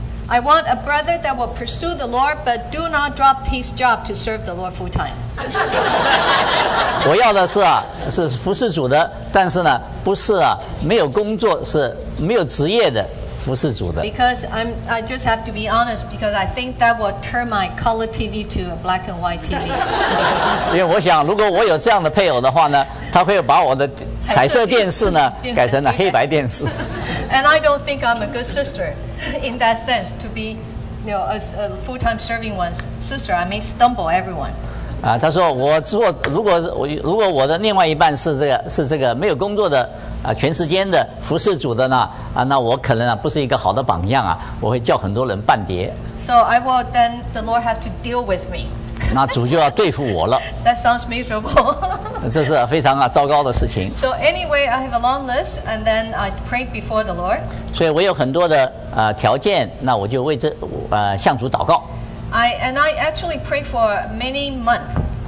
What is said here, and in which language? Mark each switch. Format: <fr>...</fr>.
<en>I want a brother that will pursue the Lord, but do not drop his job to serve the Lord full time.</en> <zh>我要的是是服侍主的，但是呢，不是没有工作，是没有职业的。服侍主的</zh> <en>because I just have to be honest because I think that will turn my color TV to a black and white TV.</en> <zh>因为我想，如果我有这样的配偶的话呢，他会把我的彩色电视呢改成了黑白电视。</zh> <en>And I don't think I'm a good sister in that sense to be, you know, a full-time serving one's sister. I may stumble everyone.</en> <zh>他说我做如果我的另外一半是这个没有工作的。全时间的服侍主的呢那我可能不是一个好的榜样我会叫很多人半跌。</zh> <en>So I will then the Lord have to deal with me.</en> <zh>那主就要对付我了。</zh> <en>That sounds miserable.</en> <zh>这是非常糟糕的事情。</zh> <en>So anyway, I have a long list and then I pray before the Lord.</en> <zh>所以我有很多的条件那我就为这向主祷告。</zh> <en>I actually pray for many months.</en>